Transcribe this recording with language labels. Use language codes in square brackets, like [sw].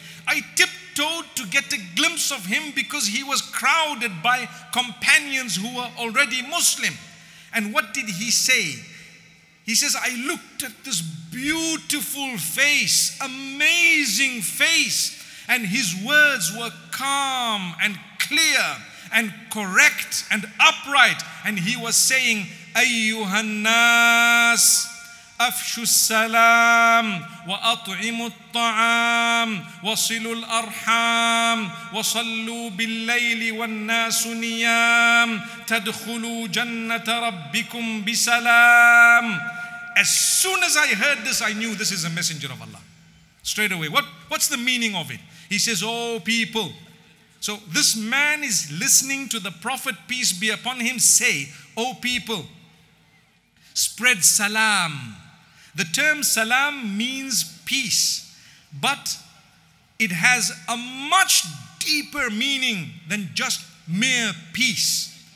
[en] I tiptoed to get a glimpse of him because he was crowded by companions who were already Muslim. And what did he say? He says, I looked at this beautiful face, amazing face, and his words were calm and clear and correct and upright. And he was saying, [ar] أيها الناس أفشوا السلام وأطعموا الطعام وصلوا الأرحام وصلوا بالليل والناس نيام تدخلوا جنة ربكم بسلام. [en] As soon as I heard this, I knew this is a messenger of Allah. Straight away. What's the meaning of it? He says, oh people. So this man is listening to the Prophet, peace be upon him, say, oh people, spread salam. The term salam means peace, but it has a much deeper meaning than just mere peace.